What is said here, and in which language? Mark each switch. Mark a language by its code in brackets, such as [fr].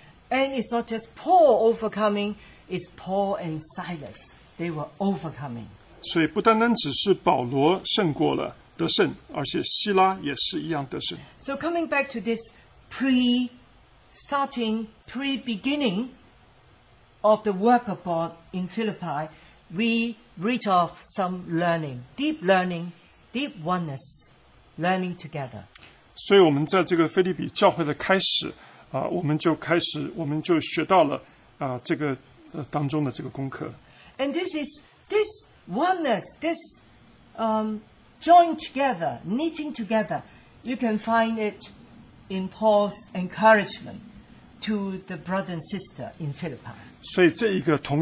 [en] And it's not just Paul overcoming, it's Paul and Silas. They were overcoming. [zh] 所以不单单只是保罗胜过了得胜，而且希拉也是一样得胜。 [en] So coming back to this pre-starting, pre-beginning of the work of God in Philippi, we read off some learning, deep oneness, learning together. [zh] 所以我们在这个腓立比教会的开始。我们就学到了这个当中的这个功课。 [en] And this is this oneness, this joined together, knitting together. You can find it in Paul's encouragement to the brother and sister in Philippi.